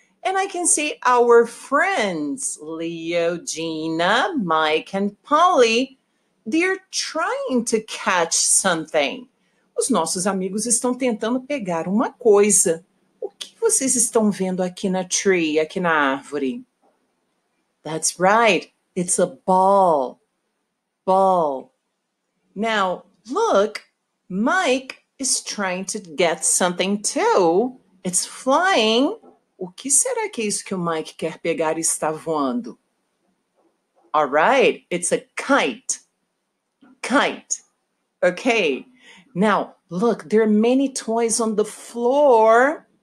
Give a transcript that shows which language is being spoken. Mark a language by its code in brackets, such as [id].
[en] And I can see our friends, Leo, Gina, Mike, and Polly. They're trying to catch something. [pt] Os nossos amigos estão tentando pegar uma coisa. O que vocês estão vendo aqui na tree, aqui na árvore? [en] That's right. It's a ball. Ball. Now, look, Mike is trying to get something too. It's flying. [pt] O que será que é isso que o Mike quer pegar e está voando? [en] All right, it's a kite. Kite. Okay, now look, there are many toys on the floor.